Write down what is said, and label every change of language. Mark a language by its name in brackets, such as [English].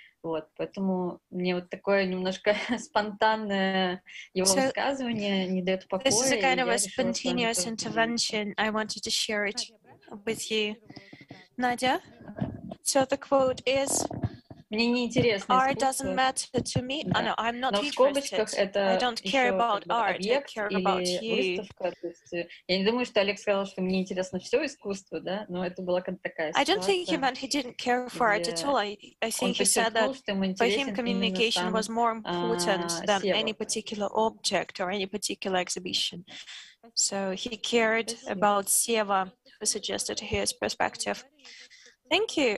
[Russian] Вот, поэтому мне вот такое немножко спонтанное его so, высказывание не дает покоя. [English] This is a kind of a spontaneous intervention. I wanted to share it with you, Nadia. So the quote is. [Russian] Мне не интересно. [English] Art doesn't matter to me. Да. Oh, no, I'm not interested. I don't care about art. I care about you. [Russian] Выставка, то есть, я не думаю, что Олег сказал, что мне интересно все искусство, да? Но это была как такая ситуация. [English] I don't think he meant he didn't care for art at all. I think he said that for him communication was more important than any particular object or any particular exhibition. So he cared about Сева, who suggested his perspective. Thank you.